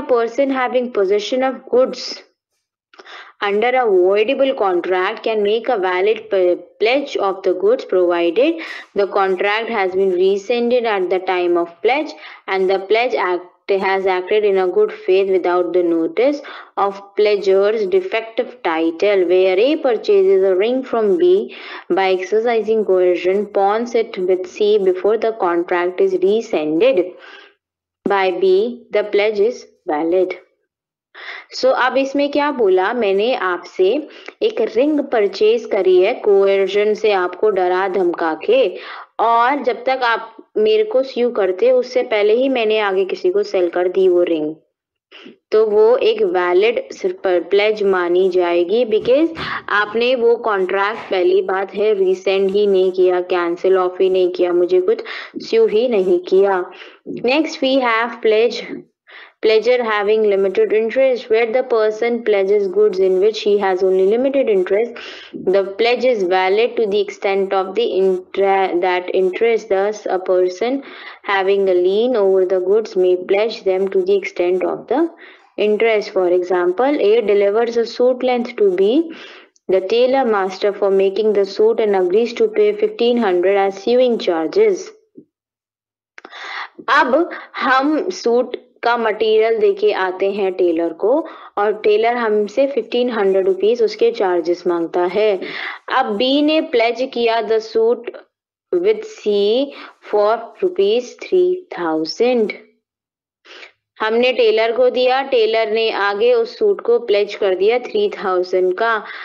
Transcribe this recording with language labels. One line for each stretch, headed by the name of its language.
English: A person having possession of goods under a voidable contract can make a valid pledge of the goods provided the contract has been rescinded at the time of pledge and the pledge act has acted in a good faith without the notice of pledger's defective title where A purchases a ring from B by exercising coercion pawns it with C before the contract is rescinded by B the pledge is valid.
Hindi: So, अब इसमें क्या बोला मैंने आपसे, एक ring purchase करी है कोएर्जन से आपको डरा धमका के, और जब तक आप मेरे को स्यू करते उससे पहले ही मैंने आगे किसी को सेल कर दी वो रिंग, तो वो एक वैलिड प्लेज मानी जाएगी बिकॉज आपने वो कॉन्ट्रैक्ट पहली बात है रिसेंड ही नहीं किया, कैंसिल ऑफ ही नहीं किया, मुझे कुछ स्यू ही नहीं किया.
English: Next we have pledge pledger having limited interest where the person pledges goods in which he has only limited interest the pledge is valid to the extent of the that interest thus a person having a lien over the goods may pledge them to the extent of the interest for example A delivers a suit length to B the tailor master for making the suit and agrees to pay 1500 as sewing charges.
Hindi: अब हम suit का material देके आते हैं Taylor को और Taylor हमसे 1500 rupees उसके चार्जेस मांगता है. अब बी ने प्लेज किया
English: the suit with C for ₹3000,
Hindi: हमने टेलर को दिया, टेलर ने आगे उस सूट को प्लेज कर दिया 3000 का.